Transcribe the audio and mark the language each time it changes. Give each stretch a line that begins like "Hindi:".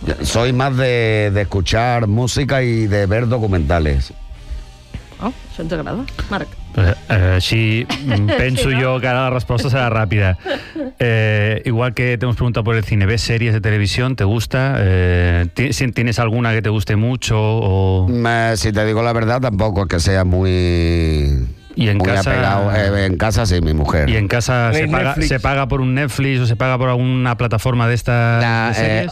Spanish: Soy más de escuchar música y de ver documentales.
Catalan: Això ens agrada, Marc. Així penso sí, jo que ara la resposta serà ràpida.
Spanish: Igual que te hemos preguntado por el cine, ¿ves series de televisión? ¿Te gusta? ¿Tienes alguna que te guste mucho? O... Si te digo la verdad, tampoco que sea muy... ¿Y en muy casa... apegado. En casa sí, mi mujer. ¿Y en casa se paga por un Netflix o se paga por alguna plataforma de estas series?